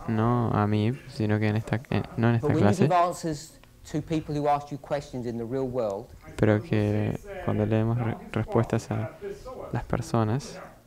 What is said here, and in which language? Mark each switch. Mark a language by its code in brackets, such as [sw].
[es] No a mí, sino que en esta no en esta [en] but [es] clase. [en] But when you give answers to people who ask you questions in the real world. [es] Pero que cuando le demos respuestas a las personas.